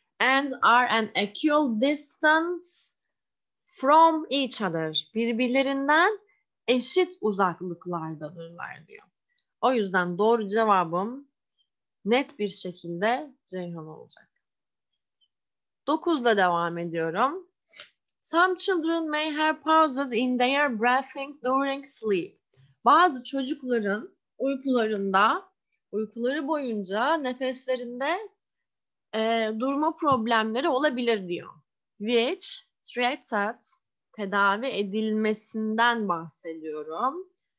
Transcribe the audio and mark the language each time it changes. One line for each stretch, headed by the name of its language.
English: And are an equal distance from each other.
Turkish: Birbirlerinden eşit uzaklıklardadırlar diyor. O yüzden doğru cevabım net bir şekilde Ceyhan olacak. 9'la devam ediyorum.
English: Some children may have pauses in their breathing during sleep.
Turkish: Bazı çocukların uykuları boyunca nefeslerinde durma problemleri olabilir diyor.
English: Which treated
Turkish: tedavi edilmesinden bahsediyorum.